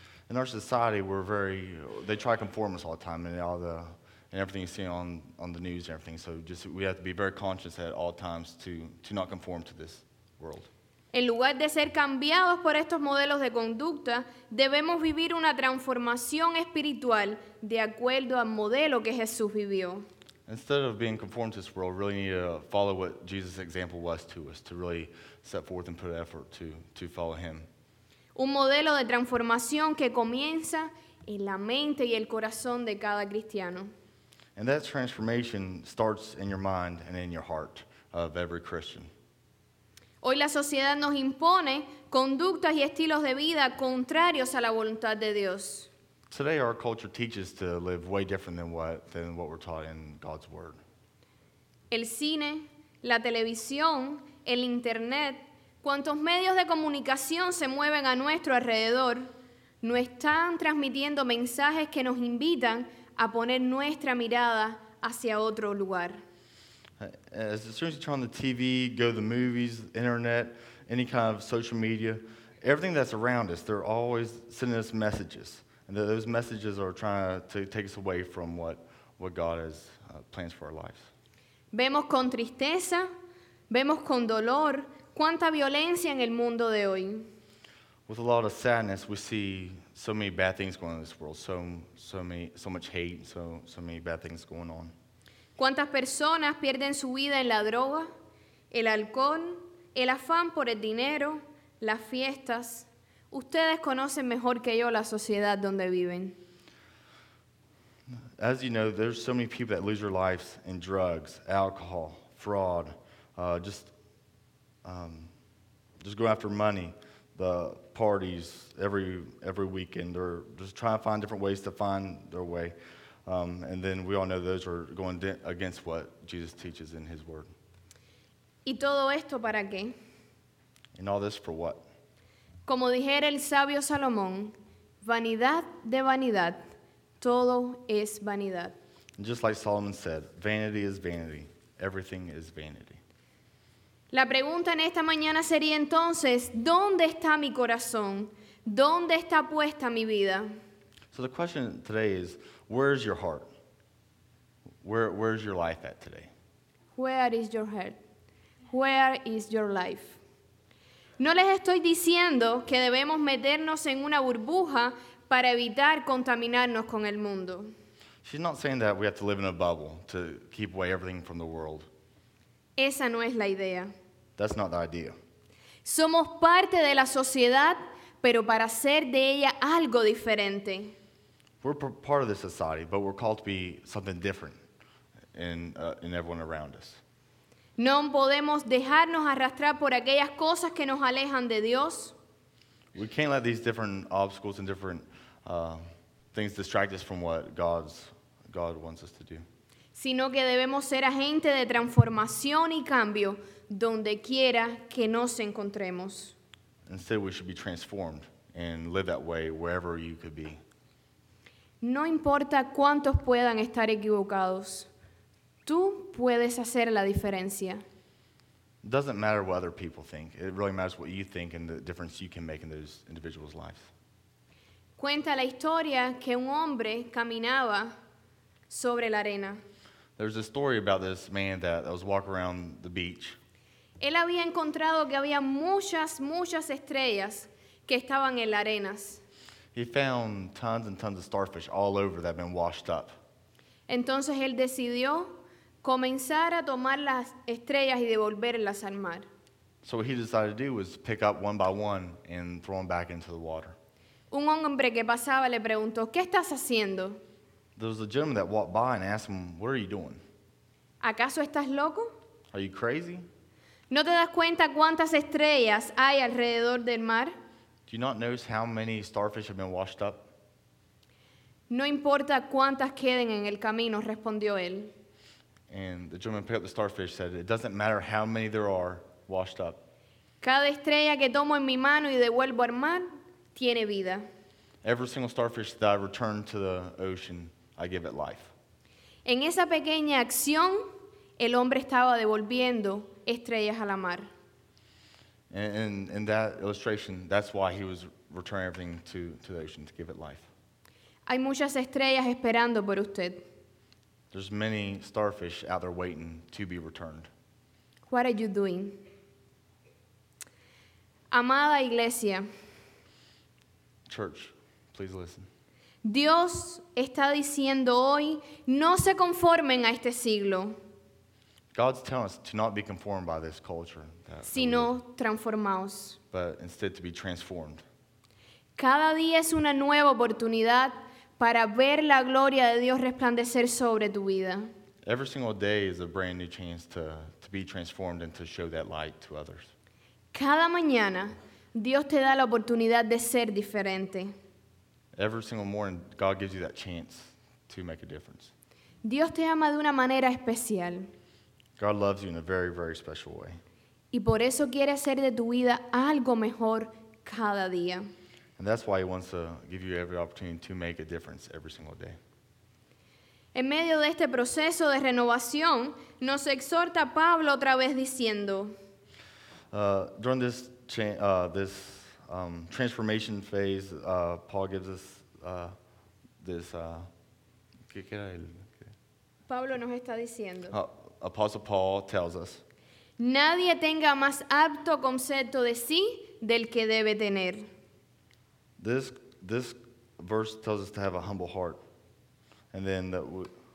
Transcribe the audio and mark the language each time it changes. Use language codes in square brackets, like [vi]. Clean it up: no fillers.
[en] In our society, they try to conform us all the time and everything you see on the news and everything. So just we have to be very conscious at all times to not conform to this world. [es] En lugar de ser cambiados por estos modelos de conducta, debemos vivir una transformación espiritual de acuerdo al modelo que Jesús vivió. [en] Instead of being conformed to this world, really need to follow what Jesus' example was to us, to really set forth and put effort to follow him. [es] Un modelo de transformación que comienza en la mente y el corazón de cada cristiano. [en] And that transformation starts in your mind and in your heart of every Christian. [es] Hoy la sociedad nos impone conductas y estilos de vida contrarios a la voluntad de Dios. [en] Today our culture teaches to live way different than what we're taught in God's word. [es] El cine, la televisión, el internet, cuantos medios de comunicación se mueven a nuestro alrededor, no están transmitiendo mensajes que nos invitan a poner nuestra mirada hacia otro lugar. [en] As soon as you turn on the TV, go to the movies, internet, any kind of social media, everything that's around us, they're always sending us messages. And those messages are trying to take us away from what God has plans for our lives. [es] Vemos con tristeza, vemos con dolor, cuánta violencia en el mundo de hoy. [en] With a lot of sadness, we see so many bad things going on in this world, so much hate, so many bad things going on. [es] ¿Cuántas personas pierden su vida en la droga, el alcohol, el afán por el dinero, las fiestas? Ustedes conocen mejor que yo la sociedad donde viven. [en] As you know, there's so many people that lose their lives in drugs, alcohol, fraud, just go after money, the parties, every weekend, or just trying to find different ways to find their way. And then we all know those are going against what Jesus teaches in his word. [es] ¿Y todo esto para qué? [en] And all this for what? [es] Como dijera el sabio Salomón, vanidad de vanidad, todo es vanidad. [en] And just like Solomon said, vanity is vanity, everything is vanity. [es] La pregunta en esta mañana sería entonces, ¿dónde está mi corazón? ¿Dónde está puesta mi vida? [en] So the question today is, where is your heart? Where is your life at today? Where is your heart? Where is your life? [es] No les estoy diciendo que debemos meternos en una burbuja para evitar contaminarnos con el mundo. [en] She's not saying that we have to live in a bubble to keep away everything from the world. [es] Esa no es la idea. [en] That's not the idea. [es] Somos parte de la sociedad, pero para hacer de ella algo diferente. [en] We're part of this society, but we're called to be something different in everyone around us. [es] No podemos dejarnos arrastrar por aquellas cosas que nos alejan de Dios. [en] We can't let these different obstacles and different things distract us from what God wants us to do. [es] Sino que debemos ser agentes de transformación y cambio donde quiera que nos encontremos. [en] Instead, we should be transformed and live that way wherever you could be. [es] No importa cuántos puedan estar equivocados, tú puedes hacer la diferencia. [en] It doesn't matter what other people think. It really matters what you think and the difference you can make in those individuals' lives. [es] Cuenta la historia que un hombre caminaba sobre la arena. [en] There's a story about this man that was walking around the beach. [es] Él había encontrado que había muchas, muchas estrellas que estaban en las arenas. [en] He found tons and tons of starfish all over that had been washed up. [es] Entonces él decidió comenzar a tomar las estrellas y devolverlas al mar. [en] So what he decided to do was pick up one by one and throw them back into the water. [es] Un hombre que pasaba le preguntó, ¿qué estás haciendo? [en] There was a gentleman that walked by and asked him, what are you doing? [es] ¿Acaso estás loco? [en] Are you crazy? [es] ¿No te das cuenta cuántas estrellas hay alrededor del mar? [en] Do you not notice how many starfish have been washed up? [es] No importa cuántas queden en el camino, respondió él. [en] And the gentleman picked up the starfish and said, it doesn't matter how many there are washed up. [es] Cada estrella que tomo en mi mano y devuelvo al mar tiene vida. [en] Every single starfish that I return to the ocean, I give it life. [es] En esa pequeña acción, el hombre estaba devolviendo estrellas a la mar. [en] And in that illustration, that's why he was returning everything to the ocean, to give it life. [es] Hay muchas estrellas esperando por usted. [en] There's many starfish out there waiting to be returned. What are you doing? [es] Amada iglesia. [en] Church, please listen. [es] Dios está diciendo hoy, no se conformen a este siglo. [en] God's telling us to not be conformed by this culture. [es] Sino transformaos. [en] But instead to be transformed. [es] Cada día es una nueva oportunidad para ver la gloria de Dios resplandecer sobre tu vida. [en] Every single day is a brand new chance to be transformed and to show that light to others. [es] Cada mañana, Dios te da la oportunidad de ser diferente. [en] Every single morning, God gives you that chance to make a difference. [es] Dios te ama de una manera especial. [en] God loves you in a very, very special way. [es] Y por eso quiere hacer de tu vida algo mejor cada día. [en] And that's why he wants to give you every opportunity to make a difference every single day. [es] En medio de este proceso de renovación, nos exhorta Pablo otra vez diciendo. [en] During this transformation phase, Paul gives us this. [es] ¿Qué era el? Pablo nos está diciendo. [en] Apostle Paul tells us. [es] Nadie tenga más apto concepto de sí del que debe tener. [en] This verse tells us to have a humble heart, and then that.